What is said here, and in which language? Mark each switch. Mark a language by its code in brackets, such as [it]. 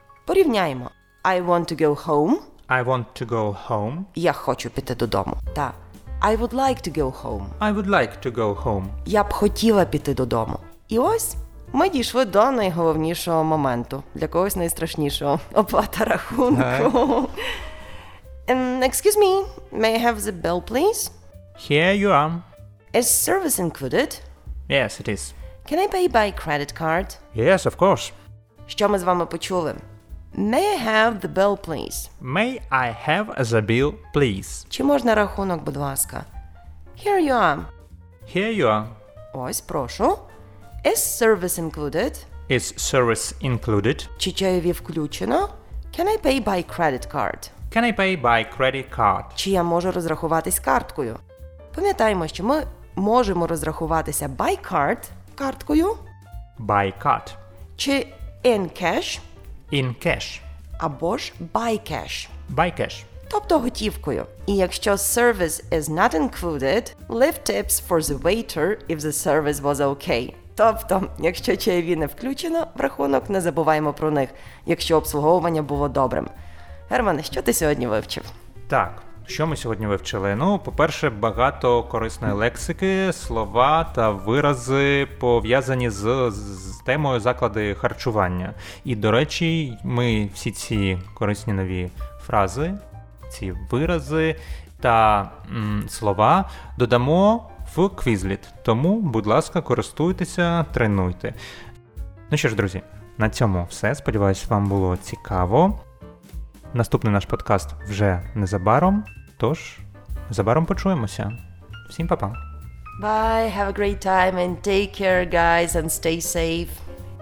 [uk] Порівняємо. [en] I want to go home. I want to go home. [uk] Я хочу піти додому. Та. [en] I would like to go home. I would like to go home. [uk] Я б хотіла піти додому. І ось ми дійшли до найголовнішого моменту. Для когось найстрашнішого. Оплата рахунку. [en] excuse me, may I have the bill, please? Here you are. Is service included? Yes, it is. Can I pay by credit card? Yes, of course. [uk] Що ми з вами почули? [en] May I have the bill, please? May I have the bill, please? [uk] Чи можна рахунок, будь ласка? [en] Here you are. Here you are. [uk] Ось, прошу. [en] Is service included? Is service included? [uk] Чи чайові включено? [en] Can I pay by credit card? Can I pay by credit card? [uk] Чи я можу розрахуватись карткою? Пам'ятаємо, що ми можемо розрахуватися [en] by card, [uk] карткою. [en] By card. [uk] Чи [en] in cash? In cash. [uk] Або ж [en] by cash. By cash. [uk] Тобто готівкою. І якщо [en] service is not included, leave tips for the waiter if the service was okay. [uk] Тобто, якщо чайові не включено в рахунок, не забуваємо про них, якщо обслуговування було добрим. Германе, що ти сьогодні вивчив? Так, що ми сьогодні вивчили? Ну, по-перше, багато корисної лексики, слова та вирази, пов'язані з темою заклади харчування. І, до речі, ми всі ці корисні нові фрази, ці вирази та слова додамо в квізліт. Тому, будь ласка, користуйтеся, тренуйте. Ну що ж, друзі, на цьому все. Сподіваюсь, вам було цікаво. Наступний наш подкаст вже незабаром. Тож, незабаром почуємося. Всім па-па. [en] Bye, have a great time and take care, guys, and stay safe.